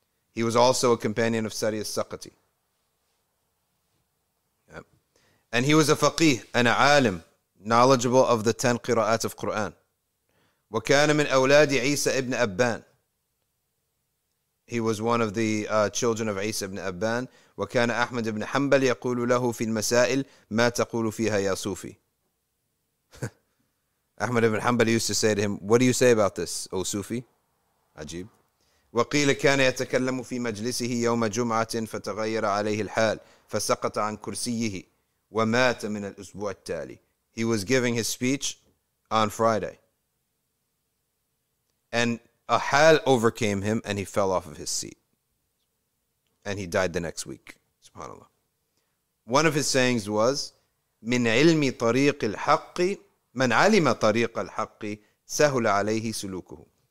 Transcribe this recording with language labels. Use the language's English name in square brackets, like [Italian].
[English] He was also a companion of Sari al-Saqati. Yeah. And he was a faqih and a alim, knowledgeable of the 10 qira'at of Quran. [Arabic] وَكَانَ مِنْ أَوْلَادِ عِيسَى ابْنْ أَبَّانِ. [English] He was one of the children of Isa ibn Abban. [Arabic] وكان أحمد ibn حنبل يقول له في المسائل ما تقول فيها يا صوفي. [English] Ahmad ibn حنبل used to say to him, "What do you say about this, O Sufi?" [Arabic] عجيب. وقيل كان يتكلم في مجلسه يوم جمعة فتغير عليه الحال فسقط عن كرسيه ومات من الأسبوع التالي. [English] He was giving his speech on Friday, and a hal overcame him and he fell off of his seat. And he died the next week. SubhanAllah. One of his sayings was, [Arabic] من علم طريق الحق من علم طريق الحق سهل عليه سلوكه.